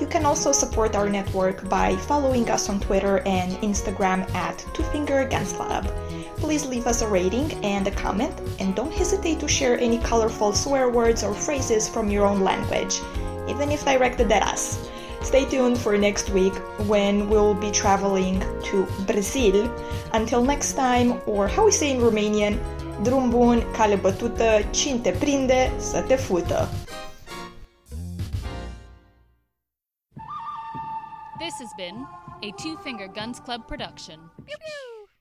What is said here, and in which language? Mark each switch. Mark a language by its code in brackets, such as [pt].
[en] You can also support our network by following us on Twitter and Instagram at twofingergunslab. Please leave us a rating and a comment, and don't hesitate to share any colorful swear words or phrases from your own language, even if directed at us. Stay tuned for next week when we'll be traveling to Brazil. Until next time, or how we say in Romanian, [ro] drum bun, cale bătută, cine te prinde, să te fută. [en] This has been a Two Finger Guns Club production. Pew, pew.